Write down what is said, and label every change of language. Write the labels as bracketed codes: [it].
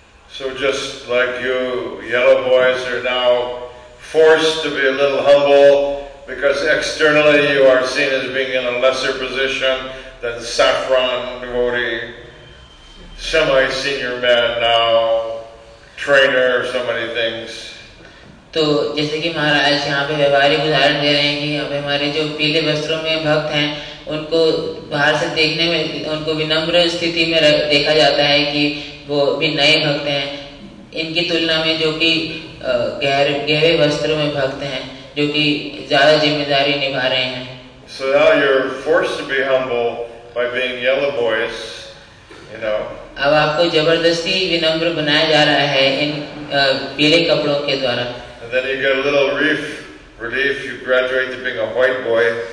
[en] So just like you yellow boys are now forced to be a little humble because externally you are seen as being in a lesser position than saffron devotee, semi-senior man now, trainer, so many things. [hi] तो जैसे कि महाराज यहाँ पे व्यवहारिक उदाहरण दे रहे हैं कि अब हमारे जो पीले वस्त्रों में भक्त हैं उनको बाहर से देखने में उनको विनम्र स्थिति में देखा जाता है कि वो भी नए भक्त हैं, इनकी तुलना में जो कि गहरे वस्त्रों में भक्त हैं जो कि ज्यादा जिम्मेदारी निभा रहे हैं. [en] So now you're forced to be humble by being yellow boys, you know. [hi] अब आपको जबरदस्ती विनम्र बनाया जा रहा है इन पीले कपड़ों के द्वारा. [en] And then you get a little relief, you graduate to being a white boy.